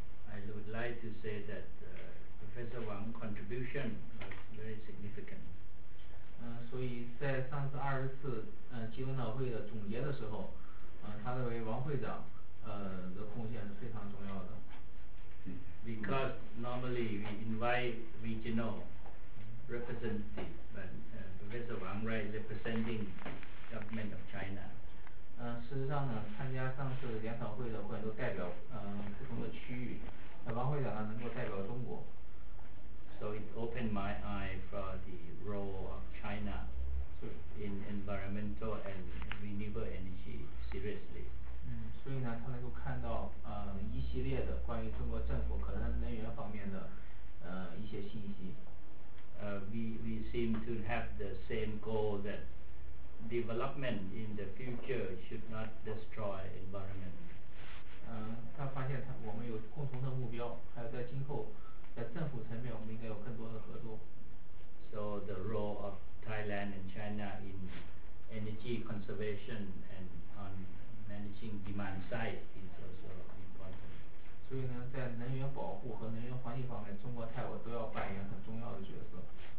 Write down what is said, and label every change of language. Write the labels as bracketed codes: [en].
[en] I would like to say that Professor Wang's contribution was very significant. [zh] 所以在上次二十次集文导会的总结的时候，他认为王会长的贡献是非常重要的。 [en] Because normally we invite regional representatives, but Professor Wang right representing government of China. [zh] 事实上呢，参加上次研讨会的会员都代表不同的区域。王会长呢，能够代表中国。 [en] So it opened my eye for the role of China in environmental and renewable energy seriously. [zh] 所以呢，他能够看到一系列的关于中国政府可能能源方面的一些信息。 [en] We seem to have the same goal that development in the future should not destroy environment. [zh] 他发现他我们有共同的目标，还有在今后在政府层面我们应该有更多的合作。 [en] So the role of Thailand and China in energy conservation and on managing demand side is also important. [zh] 所以呢，在能源保护和能源环境方面，中国泰国都要扮演很重要的角色。